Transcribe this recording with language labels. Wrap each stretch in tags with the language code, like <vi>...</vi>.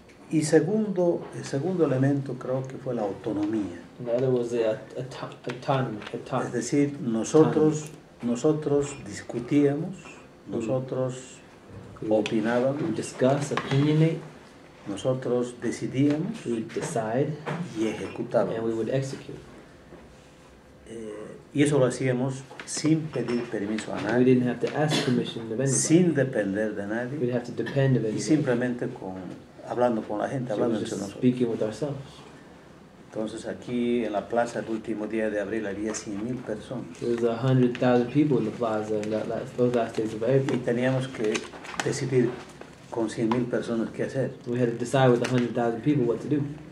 <es>Y segundo, el segundo elemento creo que fue la autonomía.</es> <en>Another was the autonomy.</en> <es>Es decir, nosotros discutíamos, nosotros opinábamos,</es> <en>discuss, opinionate,</en> <es>nosotros decidíamos,</es> <en>we decide,</en> <es>y ejecutábamos,</es> <en>and we would execute.</en> <es>Y eso lo hacíamos sin pedir permiso a nadie,</es> <en>we didn't have to ask permission of anybody,</en> <es>sin depender de nadie,</es> <en>we didn't have to depend of anybody,</en> <es>y simplemente con hablando con la gente, hablando entre nosotros,</es> <en>speaking with ourselves.</en> <es>Entonces aquí en la plaza el último día de abril había 100,000 personas.</es> <en>There was 100,000 people in the plaza in those last days of April.</en> <es>Y teníamos que decidir con 100,000 personas qué hacer.</es> <en>We had to decide with 100,000 people what to do.</en>